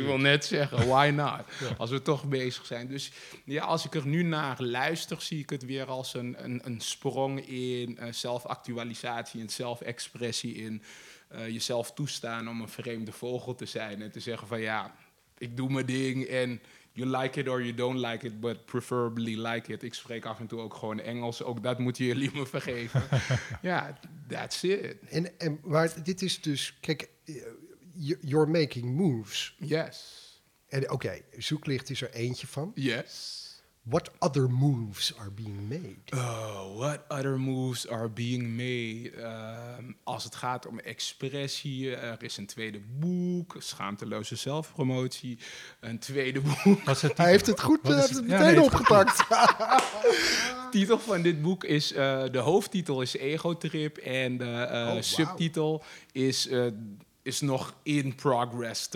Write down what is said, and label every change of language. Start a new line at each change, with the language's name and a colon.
Dutch: Ik wil net zeggen,
English: why not?
Dutch: Ja. Als we toch bezig zijn. Dus ja, als ik er nu naar luister, zie ik het weer als een sprong in zelfactualisatie, in zelfexpressie, in jezelf toestaan om een vreemde vogel te zijn en te zeggen van ja, ik doe mijn ding en
English: you like it or you don't like it,
Dutch: but preferably like it. Ik spreek af en toe ook gewoon Engels. Ook dat moeten jullie me vergeven.
English: Ja, that's it.
Dutch: En maar dit is dus... Kijk,
English: you're making moves. Yes.
Dutch: En oké, zoeklicht is er eentje van.
English: Yes. What other moves are being made? Oh, what other moves are being made?
Dutch: Als het gaat om expressie, er is een tweede boek, schaamteloze zelfpromotie, een tweede boek. Hij heeft het goed meteen opgepakt. Titel van dit boek is, de hoofdtitel is Ego Trip en de subtitel is nog in progress.